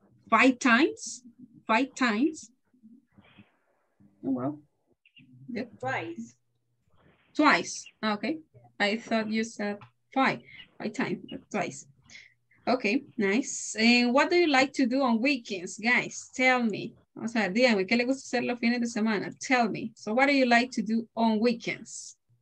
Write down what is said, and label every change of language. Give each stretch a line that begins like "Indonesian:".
English: Five times? Oh, well. Yep. Twice, okay. Yeah. I thought you said twice. Okay, nice. And what do you like to do on weekends, guys? Tell me.
Spanish: O sea, díganme, ¿qué le gusta hacer los fines de semana?
English: Tell me. So what do you like to do on weekends?